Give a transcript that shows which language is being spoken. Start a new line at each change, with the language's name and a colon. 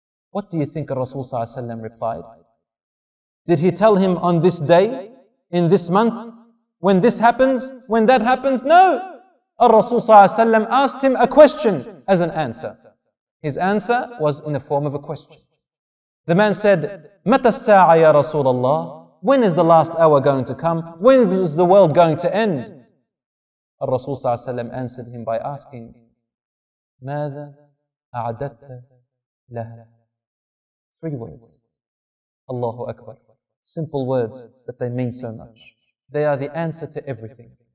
English: What do you think Rasul sallallahu alayhi wa sallam replied? Did he tell him on this day, in this month, when this happens, when that happens? No! Rasul ﷺ asked him a question as an answer. His answer was in the form of a question. The man said,
Arabic: مَتَ السَّاعَ يَا رَسُولَ اللَّهِ.
English: When is the last hour going to come? When is the world going to end? Rasul ﷺ answered him by asking,
Arabic: مَاذَا أَعْدَدْتَ لَهَا.
English: Three words. Allahu Akbar. Simple words, but they mean so much. They are the answer to everything.